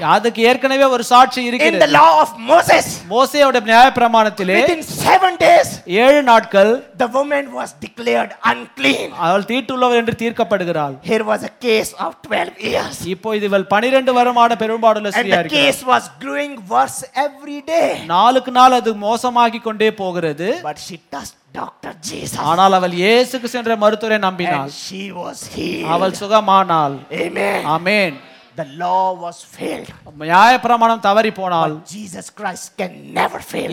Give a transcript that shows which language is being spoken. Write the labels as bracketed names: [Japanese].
[Tamil] அதுக்கு ஏற்கனவே ஒரு சாட்சி இருக்கிறது. [English] In the law of Moses. [Tamil] மோசேயோட நியாய பிரமாணத்திலே. [English] Within 7 days. [Tamil] 7 நாட்கள். [English] The woman was declared unclean. [Tamil] அவள் தீட்டுள்ளவள் என்று தீர்க்கப்படுகிறாள். [English] Here was a case of 12 years. [Tamil] இப்போ இவள் 12 வருமான பெரும்பாடுள்ள ஸ்திரீயா இருக்கிறாள். [English] And the case was growing worse every day. [Tamil] நாளுக்கு நாள் அது மோசமாகிக் கொண்டே போகிறது. [English] But she touched Dr. Jesus. [Tamil] ஆனால் அவள் இயேசுக்கு சென்ற மருத்துவரை நம்பினாள். [English] She was healed. [Tamil] அவள் சுகமானாள். [English] Amen. Amen. the law was failed. [Tamil] நியாயப் பிரமாணம் தவறி போனால் [English] Jesus Christ can never fail.